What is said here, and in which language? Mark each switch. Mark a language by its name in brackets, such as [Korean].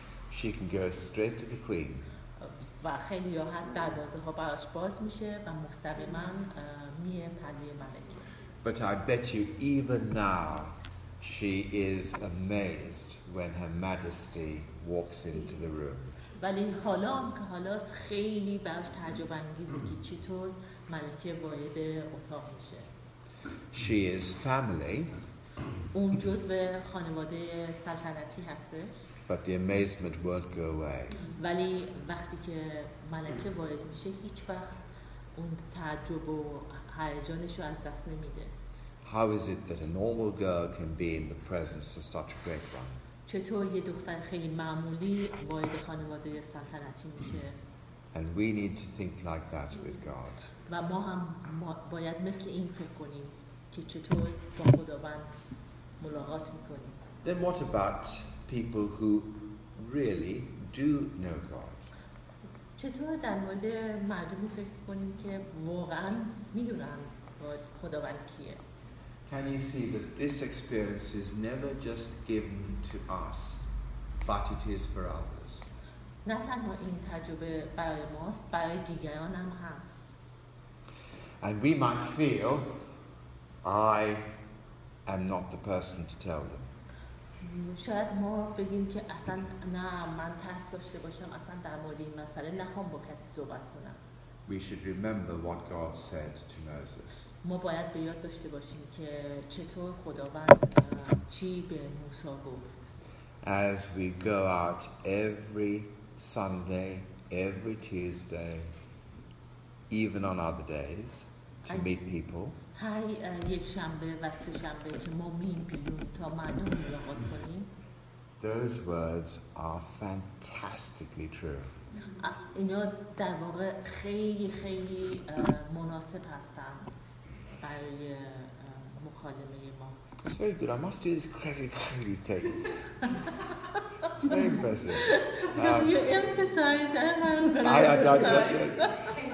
[English] she can go straight to the queen. [Persian] و خیلی راحت دروازه ها براش باز میشه و مستقیما میه پلوی ملکه. [English] But I bet you even now she is amazed when her majesty walks into the room. [Persian] ولی حالا که حالاست خیلی براش تعجب انگیزه که چطور ملکه وارد اتاق میشه. [English] She is family. [Persian] اون جزء خانواده سلطنتی هستش. [English] But the amazement won't go away. [Persian] ولی وقتی که ملکه وارد میشه هیچ وقت اون تعجب و هیجانش رو از دست نمیده. [English] How is it that a normal girl can be in the presence of such a great one? [Persian] چطور یه دختر خیلی معمولی وارد خانواده سلطنتی میشه؟ [English] And we need to think like that with God. [Persian] و ما هم باید مثل این فکر کنیم که چطور با خداوند ملاقات میکنیم. [English] Then what about people who really do know God? [Persian] چطور در مورد مردمی فکر کنیم که واقعا میدونن خداوند کیه؟ [English] Can you see that this experience is never just given to us, but it is for others? [Persian] نه تنها این تجربه برای ماست، برای دیگران هم هست. [English] And we might feel, I am not the person to tell them. [Persian] شاید ما بگیم که اصلا نه من ترس داشته باشم، اصلا در مورد این مسئله نخوام با کسی صحبت کنم. [English] We should remember what God said to Moses. [Persian] ما باید به یاد داشته باشیم که چطور خداوند چی به موسی گفت. [English] As we go out every Sunday, every Tuesday, even on other days to meet people. [Persian] هر یک شنبه و سه شنبه که ما میایم بیرون تا مردم ملاقات کنیم. [English] Those words are fantastically true. [Persian] اینا در واقع خیلی خیلی مناسب هستن برای مکالمه ما. [English] It's very good. I must do this credit really take. It's very impressive. Because you emphasize and I'm going to emphasize.